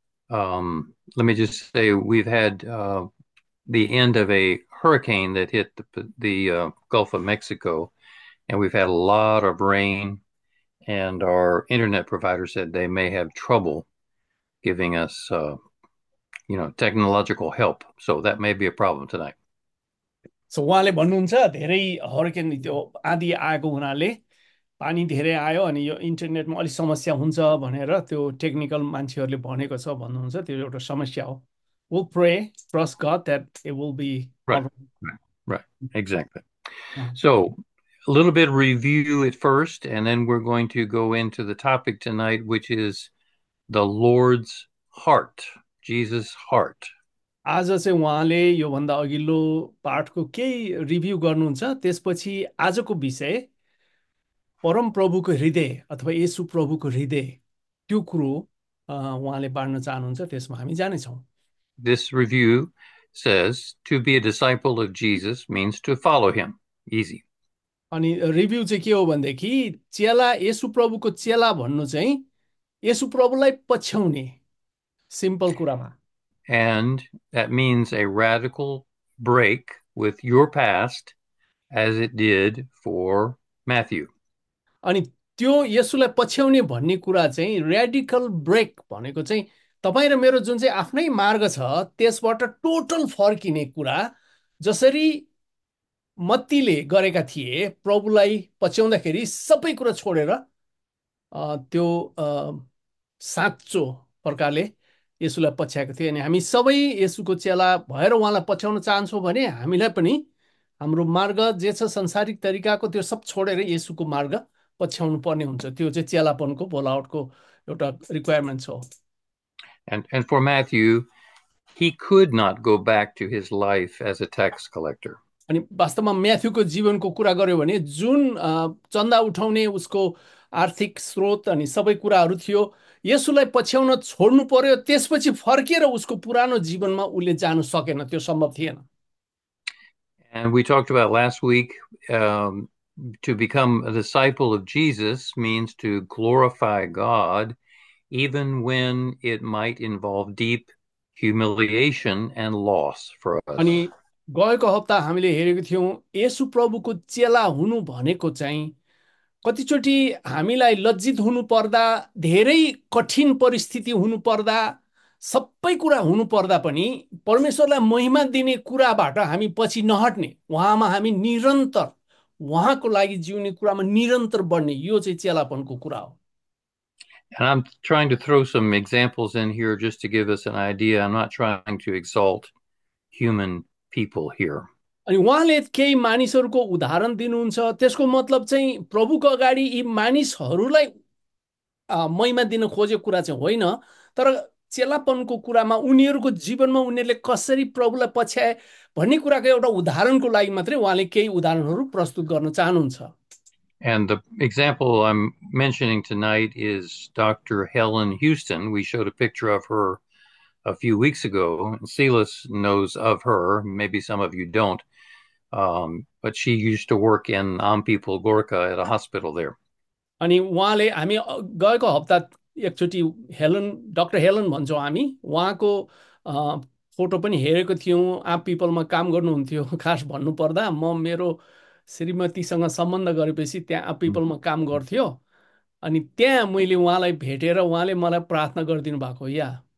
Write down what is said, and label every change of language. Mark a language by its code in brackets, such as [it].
[en] Let me just say we've had the end of a hurricane that hit the Gulf of Mexico, and we've had a lot of rain, and our internet provider said they may have trouble giving us technological help. So that may be a problem tonight. [ne] So उहाँले भन्नुहुन्छ धेरै hurricane त्यो आँधी आएको हुनाले पानी धेरै आयो अनि यो इन्टरनेटमा अलिक समस्या हुन्छ भनेर त्यो टेक्निकल मान्छेहरूले भनेको छ भन्नुहुन्छ त्यो एउटा समस्या हो [en] Will pray trust God that it will be all Exactly. Right So, a little bit of review at first, and then we're going to go into the topic tonight, which is the Lord's heart, Jesus' heart. [ne] आज चाहिँ उहाँले योभन्दा अघिल्लो पाठको केही review गर्नुहुन्छ त्यसपछि आजको विषय परम प्रभुको हृदय अथवा येशु प्रभुको हृदय त्यो कुरो उहाँले बाँड्न चाहनुहुन्छ त्यसमा हामी जानेछौँ [en] This review says to be a disciple of Jesus means to follow him. Easy. [ne] अनि रिभ्यू चाहिँ के हो भनेदेखि चेला येशु प्रभुको चेला भन्नु चाहिँ येशु प्रभुलाई पछ्याउने सिम्पल कुरामा [en] And that means a radical break with your past as it did for Matthew. [ne] अनि त्यो यसुलाई पछ्याउने भन्ने कुरा चाहिँ रेडिकल ब्रेक भनेको चाहिँ तपाईँ र मेरो जुन चाहिँ आफ्नै मार्ग छ त्यसबाट टोटल फर्किने कुरा जसरी मत्तीले गरेका थिए प्रभुलाई पछ्याउँदाखेरि सबै कुरा छोडेर त्यो साँचो प्रकारले यसुलाई पछ्याएको थियो अनि हामी सबै यसुको चेला भएर उहाँलाई पछ्याउन चाहन्छौँ भने हामीलाई पनि हाम्रो मार्ग जे छ संसारिक तरिकाको त्यो सब छोडेर यसुको मार्ग पछ्याउनु पर्ने हुन्छ त्यो चाहिँ चेलापनको बोलावटको एउटा रिक्वायरमेन्ट हो [en] And for Matthew, he could not go back to his life as a tax collector. [ne] अनि वास्तवमा म्याथ्यूको जीवनको कुरा गर्यो भने जुन चन्दा उठाउने उसको आर्थिक स्रोत अनि सबै कुराहरू थियो यसुलाई पछ्याउन छोड्नु पर्यो त्यसपछि फर्किएर उसको पुरानो जीवनमा उसले जानु सकेन त्यो सम्भव थिएन [en] And we talked about last week, to become a disciple of Jesus means to glorify God. Even when it might involve deep humiliation and loss for us. [ne] अनि गएको हप्ता हामीले हेरेको थियौँ येशु प्रभुको चेला हुनु भनेको चाहिँ कतिचोटि हामीलाई लज्जित हुनु पर्दा धेरै कठिन परिस्थिति हुनु पर्दा सबै कुरा हुनु पर्दा पनि परमेश्वरलाई महिमा दिने कुराबाट हामी पछि नहट्ने उहाँमा हामी निरन्तर उहाँको लागि जिउने कुरामा निरन्तर बढ्ने यो चाहिँ चेलापनको कुरा हो [en] And I'm trying to throw some examples in here just to give us an idea. I'm not trying to exalt human people here. [ne] अनि उहाँले केही मानिसहरूको उदाहरण दिनुहुन्छ त्यसको मतलब चाहिँ प्रभुको अगाडि यी मानिसहरूलाई महिमा दिन खोजेको कुरा चाहिँ होइन तर चेलापनको कुरामा उनीहरूको जीवनमा उनीहरूले कसरी प्रभुलाई पछ्याए भन्ने कुराको एउटा उदाहरणको लागि मात्रै उहाँले केही उदाहरणहरू प्रस्तुत गर्न चाहनुहुन्छ [en] And the example I'm mentioning tonight is Dr. Helen Houston. We showed a picture of her a few weeks ago. Silas knows of her. Maybe some of you don't. But she used to work in Am People Gorkha at a hospital there. [ne] अनि उहाँले हामी गएको हप्ता एकचोटि Helen doctor Helen भन्छौँ हामी उहाँको photo पनि हेरेको थियौँ आप पिपलमा काम गर्नुहुन्थ्यो खास भन्नुपर्दा म मेरो श्रीमतीसँग सम्बन्ध गरेपछि त्यहाँ आप पिपलमा काम गर्थ्यो अनि त्यहाँ मैले उहाँलाई भेटेर उहाँले मलाई प्रार्थना गरिदिनु भएको या